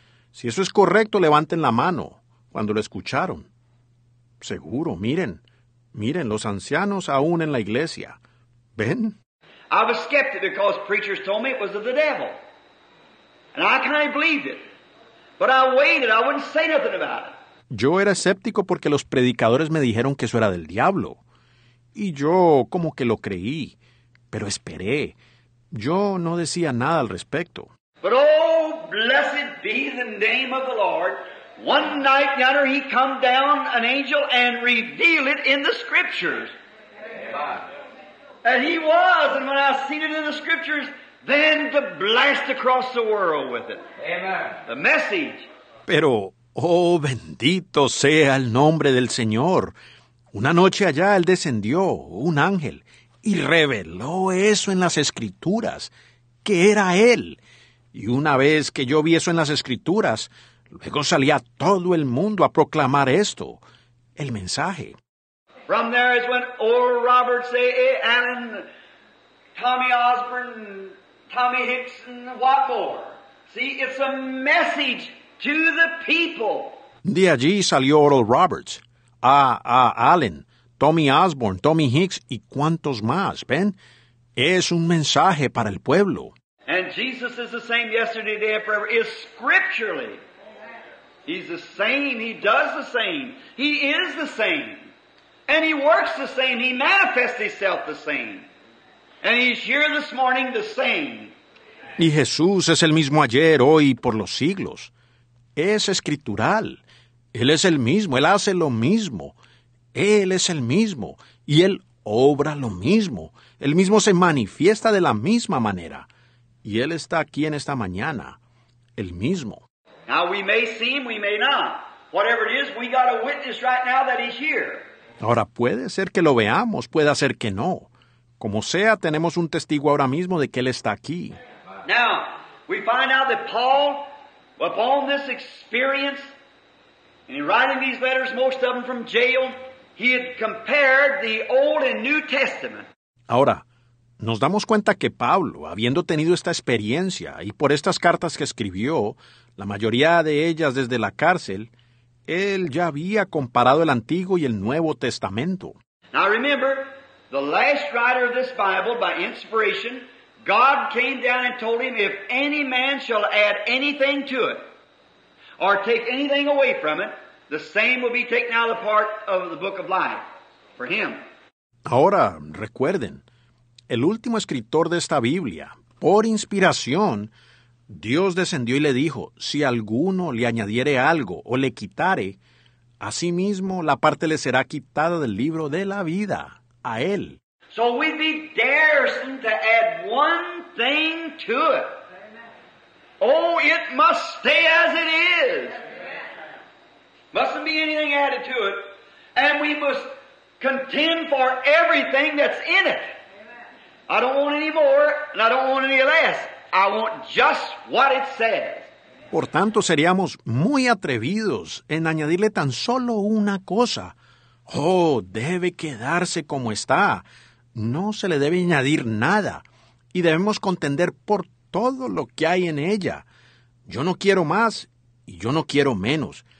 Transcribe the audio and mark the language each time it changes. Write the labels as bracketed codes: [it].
[es] Si eso es correcto, levanten la mano cuando lo escucharon. Seguro, miren, los ancianos aún en la iglesia. ¿Ven? [en] I was skeptic because preachers told me it was of the devil. And I kind of believed it. But I waited, I wouldn't say nothing about it. [es] Yo era escéptico porque los predicadores me dijeron que eso era del diablo. Y yo como que lo creí, pero esperé. Yo no decía nada al respecto. [en] But oh, blessed be the name of the Lord. One night and another he come down an angel and revealed it in the scriptures. And he was, and when I seen it in the scriptures, then the blast across the world with it. Amen. The message. [es] Pero, oh, bendito sea el nombre del Señor. Una noche allá, él descendió, un ángel, y reveló eso en las escrituras, que era él. Y una vez que yo vi eso en las escrituras, luego salí a todo el mundo a proclamar esto, el mensaje. [en] From there is when Oral Roberts, A. Allen, Tommy Osborne, Tommy Hicks, and Watmore. See, it's a message to the people. [es] De allí salió Oral Roberts, A. Allen, Tommy Osborne, Tommy Hicks, y cuantos más, ¿ven? Es un mensaje para el pueblo. [en] And Jesus is the same yesterday, today, and forever. Is scripturally. He's the same. He does the same. He is the same. And he works the same. He manifests himself the same. And he's here this morning the same. [es] Y Jesús es el mismo ayer, hoy y por los siglos. Es escritural. Él es el mismo. Él hace lo mismo. Él es el mismo. Y él obra lo mismo. Él mismo se manifiesta de la misma manera. Y él está aquí en esta mañana. El mismo. [en] Now we may see him, we may not. Whatever it is, we got a witness right now that he's here. [es] Ahora, puede ser que lo veamos, puede ser que no. Como sea, tenemos un testigo ahora mismo de que él está aquí. [en] Now, we find out that Paul, upon this experience, and in writing these letters, most of them from jail, he had compared the Old and New Testament. [es] Ahora, nos damos cuenta que Pablo, habiendo tenido esta experiencia, y por estas cartas que escribió, la mayoría de ellas desde la cárcel, él ya había comparado el Antiguo y el Nuevo Testamento. [en] Now remember, the last writer of this Bible, by inspiration, God came down and told him, if any man shall add anything to it, or take anything away from it, the same will be taken out of the part of the book of life, for him. [es] Ahora, recuerden, el último escritor de esta Biblia, por inspiración, Dios descendió y le dijo, si alguno le añadiere algo o le quitare, a sí mismo la parte le será quitada del libro de la vida, a él. [en] So we'd be daring to add one thing to it. Oh, it must stay as it is. Mustn't be anything added to it. And we must contend for everything that's in it. I don't want any more and I don't want any less. I want just what it says. [es] Por tanto, seríamos muy atrevidos en añadirle tan solo una cosa. Oh, debe quedarse como está. No se le debe añadir nada. Y debemos contender por todo lo que hay en ella. Yo no quiero más y yo no quiero menos.